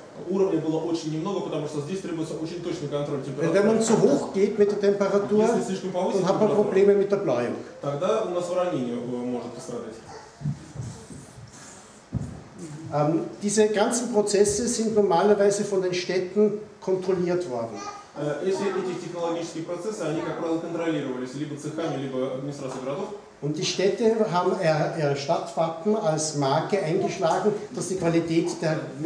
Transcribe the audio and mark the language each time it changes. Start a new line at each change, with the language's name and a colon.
Russian: Уровня было очень немного, потому что здесь требуется очень точный контроль температуры.
German: Wenn man zu hoch geht mit der Temperatur, dann hat man Probleme mit der Bläuung.
Russian: Тогда у нас вранение может пострадать.
German: Diese ganzen Prozesse sind normalerweise von den Städten kontrolliert worden.
Russian: Если эти технологические процессы, они, как правило, контролировались либо цехами, либо администрацией городов.
German: Und die Städte haben ihre Stadtwappen als Marke eingeschlagen, dass die Qualität der